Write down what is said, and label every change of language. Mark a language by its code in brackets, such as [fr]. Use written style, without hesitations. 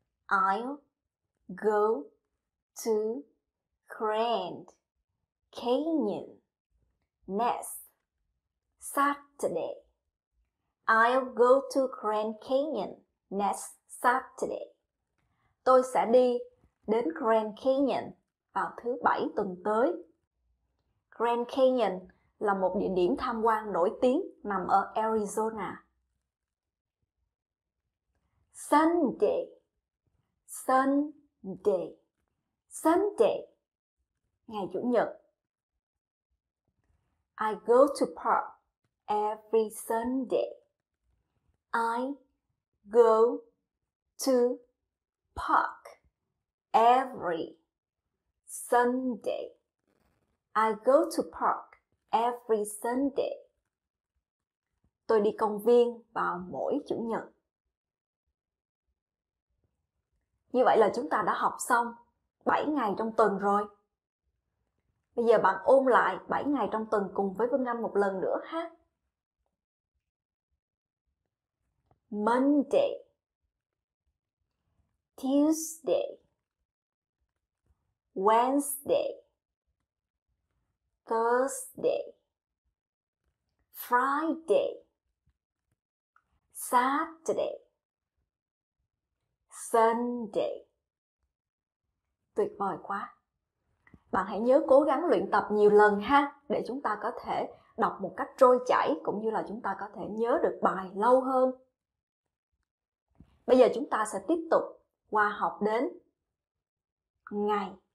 [en] I'll go to Grand Canyon next Saturday. I'll go to Grand Canyon next Saturday. [vi] Tôi sẽ đi đến Grand Canyon vào thứ bảy tuần tới. Grand Canyon là một địa điểm tham quan nổi tiếng nằm ở Arizona. [en] Sunday, Sunday, Sunday, [vi] ngày chủ nhật. [en] I go to park every Sunday. I go to park every Sunday. I go to park every Sunday. [vi] Tôi đi công viên vào mỗi chủ nhật. Như vậy là chúng ta đã học xong 7 ngày trong tuần rồi. Bây giờ bạn ôn lại 7 ngày trong tuần cùng với Vân Anh một lần nữa ha. [en] Monday, Tuesday, Wednesday, Thursday, Friday, Saturday, Sunday. [vi] Tuyệt vời quá. Bạn hãy nhớ cố gắng luyện tập nhiều lần ha, để chúng ta có thể đọc một cách trôi chảy cũng như là chúng ta có thể nhớ được bài lâu hơn. Bây giờ chúng ta sẽ tiếp tục qua học đến ngày.